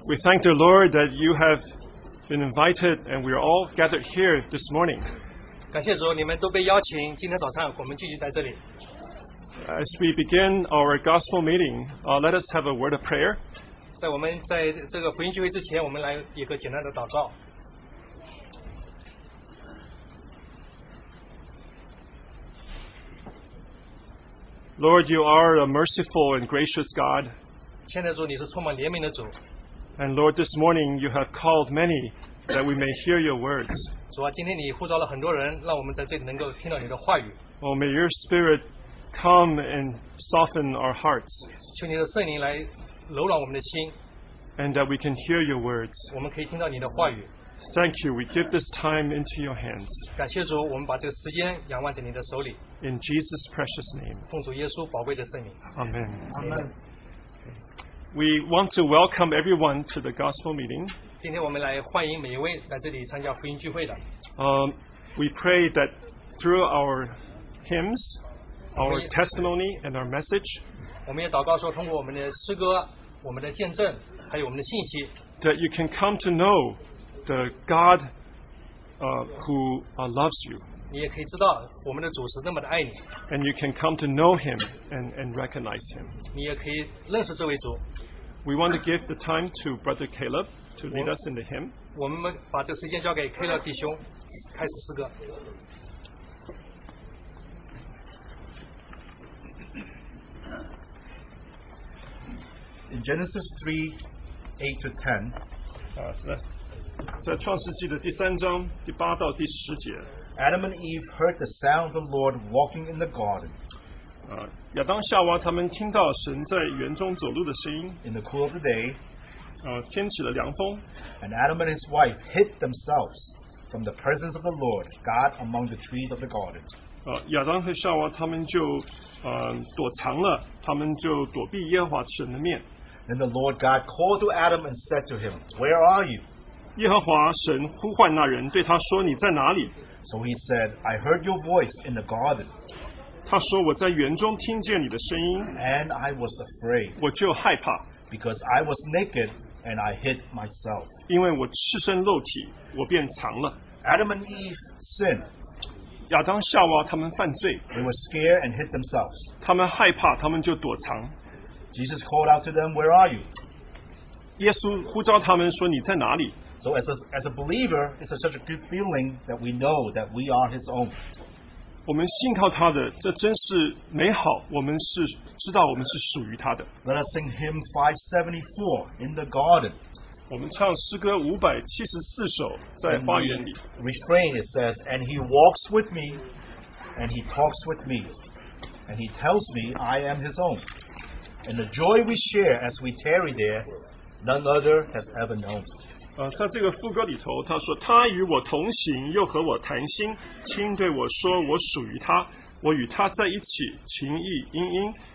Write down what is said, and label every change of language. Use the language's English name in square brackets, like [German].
[English] We thank the Lord that you have been invited and we are all gathered here this morning. [Chinese] 感谢主，你们都被邀请，今天早上我们聚集在这里。 [English] As we begin our gospel meeting, let us have a word of prayer. [Chinese] 在我们在这个福音聚会之前，我们来一个简单的祷告。 [English] Lord, you are a merciful and gracious God. [Chinese] 亲爱的主，你是充满怜悯的主。 [English] And Lord, this morning you have called many that we may hear your words. [Chinese] 主啊，今天你呼召了很多人，让我们在这里能够听到你的话语。 [English] Oh, may your spirit come and soften our hearts. [Chinese] 求你的圣灵来柔软我们的心。 [English] And that we can hear your words. [Chinese] 我们可以听到你的话语。 [English] Thank you. We give this time into your hands. [Chinese] 感谢主，我们把这个时间仰望在你的手里。 [English] In Jesus' precious name. [Chinese] 奉主耶稣宝贵的圣名。 [English] Amen. Amen. We want to welcome everyone to the gospel meeting. [Chinese] 今天我们来欢迎每一位在这里参加福音聚会的。 [English] We pray that through our hymns, our testimony, and our message, [Chinese] 我们也祷告说，通过我们的诗歌、我们的见证，还有我们的信息 [English] ，that you can come to know the God, who loves you. [Chinese] 你也可以知道我们的主是那么的爱你。 [English] And you can come to know Him and recognize Him. [Chinese] 你也可以认识这位主。 [English] We want to give the time to Brother Caleb to lead us in the hymn. [Chinese] 我们把这个时间交给 Caleb 弟兄，开始诗歌。 [English] In Genesis 3:8-10, [Chinese] 在创世纪的第三章第八到第十节。 [English] Adam and Eve heard the sound of the Lord walking in the garden. [Chinese] 亚当夏娃他们听到神在园中走路的声音。 [English] In the cool of the day, [Chinese] 天起了凉风。 [English] And Adam and his wife hid themselves from the presence of the Lord God among the trees of the garden. [Chinese] 亚当和夏娃他们就躲藏了，他们就躲避耶和华神的面。 [English] Then the Lord God called to Adam and said to him, "Where are you?" [Chinese] 耶和华神呼唤那人，对他说，你在哪里？ [English] So he said, "I heard your voice in the garden." [Chinese] 他说，我在园中听见你的声音。 [English] And I was afraid. [Chinese] 我就害怕。 [English] Because I was naked and I hid myself. [Chinese] 因为我赤身露体，我便藏了。 [English] Adam and Eve sinned. [Chinese] 亚当夏娃他们犯罪。 [English] They were scared and hid themselves. [Chinese] 他们害怕，他们就躲藏。 [English] Jesus called out to them, "Where are you?" [Chinese] 耶稣呼召他们说，你在哪里？ [English] So as a believer, it's such a good feeling that we know that we are His own. [Chinese] 我们信靠他的，这真是美好。我们是知道我们是属于他的。 [English] Let us sing hymn 574 in the garden. [Chinese] 我们唱诗歌574首在花园里。 [English] Refrain it says, "And He walks with me, and He talks with me, and He tells me I am His own." And the joy we share as we tarry there, none other has ever known. [Chinese] 在这个副歌里头，他说：“他与我同行，又和我谈心，亲对我说，我属于他，我与他在一起，情意殷殷。